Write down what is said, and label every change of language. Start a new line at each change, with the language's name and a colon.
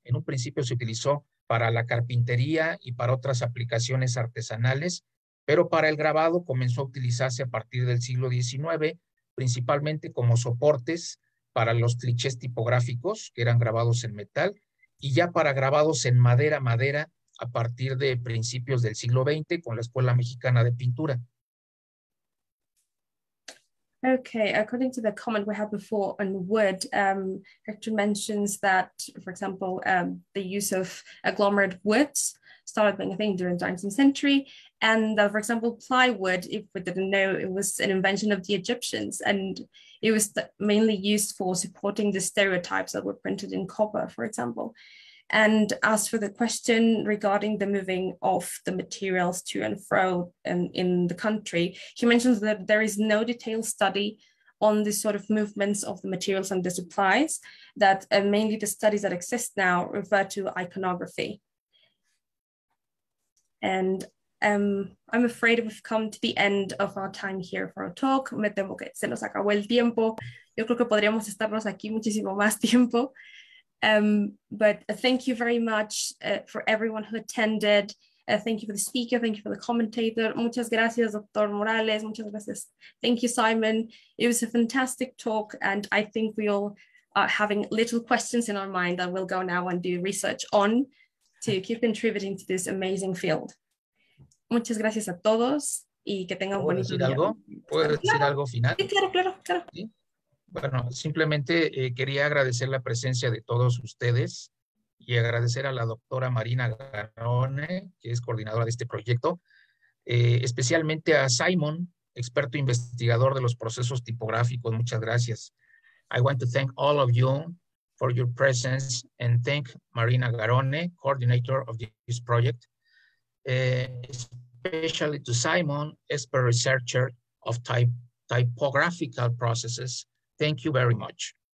Spanish: En un principio se utilizó para la carpintería y para otras aplicaciones artesanales, pero para el grabado comenzó a utilizarse a partir del siglo XIX, principalmente como soportes para los clichés tipográficos, que eran grabados en metal, y ya para grabados en madera, a partir de principios del siglo XX con la Escuela Mexicana de Pintura.
English: Okay, according to the comment we had before on wood, Hector mentions that, for example, the use of agglomerate woods started being a thing during the 19th century, and for example, plywood, if we didn't know, it was an invention of the Egyptians, and it was mainly used for supporting the stereotypes that were printed in copper, for example. And as for the question regarding the moving of the materials to and fro in the country, he mentions that there is no detailed study on the sort of movements of the materials and the supplies, that mainly the studies that exist now refer to iconography. And I'm afraid we've come to the end of our time here for our talk.
Spanish: Me temo que se nos acabó el tiempo. Yo creo que podríamos estarnos aquí muchísimo más tiempo.
English: But thank you very much for everyone who attended. Thank you for the speaker. Thank you for the commentator.
Spanish: Muchas gracias, Dr. Morales. Muchas gracias.
English: Thank you, Simon. It was a fantastic talk, and I think we all are having little questions in our mind that we'll go now and do research on to keep contributing to this amazing field.
Spanish: Muchas gracias a todos y que tengan un bonito día. ¿Puedo decir algo final? Sí, claro. ¿Sí? Bueno, simplemente quería agradecer la presencia de todos ustedes y agradecer a la doctora Marina Garrone, que es coordinadora de este proyecto, especialmente a Simon, experto investigador de los procesos tipográficos. Muchas gracias.
English: I want to thank all of you for your presence and thank Marina Garrone, coordinator of this project, especially to Simon, expert researcher of typographical processes. Thank you very much.